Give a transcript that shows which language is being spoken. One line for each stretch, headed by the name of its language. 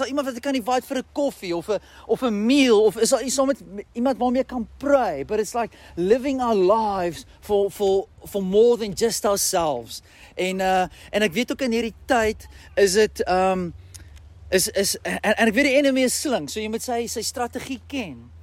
Afrikaans: Is daar iemand wat ek kan invite vir 'n koffie, of
English: a meal,
Afrikaans: of is daar iemand waarmee ek kan pray?
English: But it's like living our lives for more than just ourselves.
Afrikaans: En ek weet ook in hierdie tyd, is ek weet die enemy is slink, so jy moet sy strategie ken.